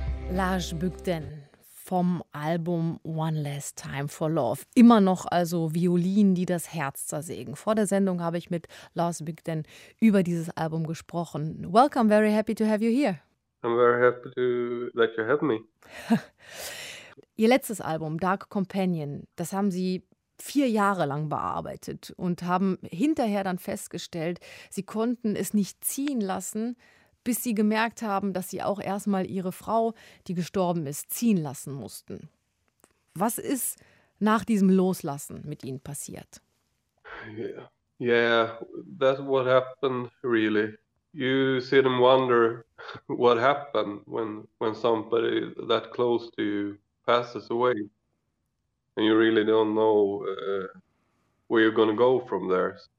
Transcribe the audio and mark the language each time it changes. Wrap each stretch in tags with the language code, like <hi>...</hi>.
<de>Lars Bygden vom Album One Last Time for Love. Immer noch also Violinen, die das Herz zersägen. Vor der Sendung habe ich mit Lars Bygden über dieses Album gesprochen.</de> <en>Welcome, very happy to have you here. I'm very happy to let you have me.</en> <de>Ihr letztes Album, Dark Companion, das haben Sie 4 Jahre lang bearbeitet und haben hinterher dann festgestellt, Sie konnten es nicht ziehen lassen, bis sie gemerkt haben, dass sie auch erstmal ihre Frau, die gestorben ist, ziehen lassen mussten. Was ist nach diesem Loslassen mit ihnen passiert?</de> <en>Yeah, that's what happened really. You sit and wonder what happened when somebody that close to you passes away. And you really don't know where you're gonna go from there.</en>